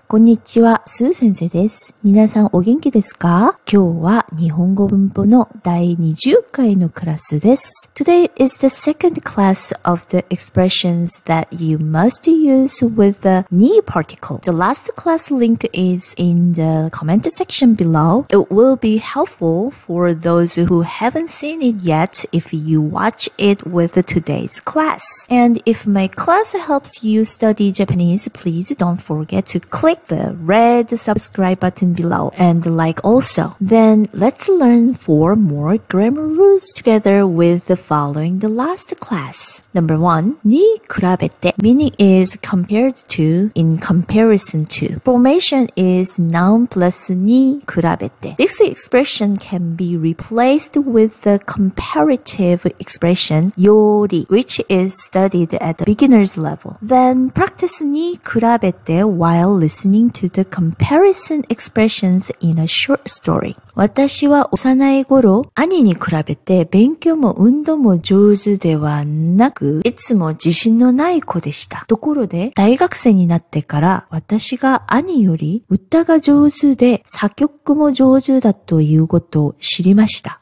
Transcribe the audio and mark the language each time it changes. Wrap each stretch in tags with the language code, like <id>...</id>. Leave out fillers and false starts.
<ja>こんにちは、スー先生です。皆さんお元気ですか？今日は日本語文法の第20回のクラスです。</ja> <en>Today is the second class of the expressions that you must use with the ni particle. The last class link is in the comment section below. It will be helpful for those who haven't seen it yet if you watch it with today's class. And if my class helps you study Japanese, please don't forget to click the red subscribe button below and like also. Then let's learn four more grammar rules together with the following the last class. Number one, に比べて meaning is compared to, in comparison to. Formation is noun plus に比べて. This expression can be replaced with the comparative expression より, which is studyAt the beginner's level. Then practice に比べて while listening to the comparison expressions in a short story.</en> <ja>私は幼い頃、兄に比べて勉強も運動も上手ではなく、いつも自信のない子でした。ところで、大学生になってから、私が兄より歌が上手で作曲も上手だということを知りました。</ja>